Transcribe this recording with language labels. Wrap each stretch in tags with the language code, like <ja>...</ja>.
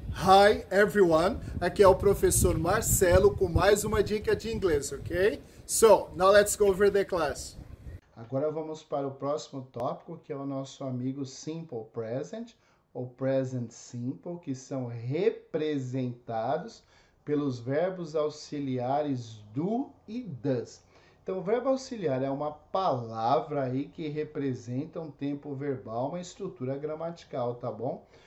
<en>Hi everyone,</en> <pt>aqui é o professor Marcelo com mais uma dica de inglês, ok?</pt> <en>So, now let's go over the class.</en> <pt>Agora vamos para o próximo tópico, que é o nosso amigo Simple Present, ou Present Simple, que são representados pelos verbos auxiliares do e does. Então, o verbo auxiliar é uma palavra aí que representa um tempo verbal, uma estrutura gramatical, tá bom?</pt>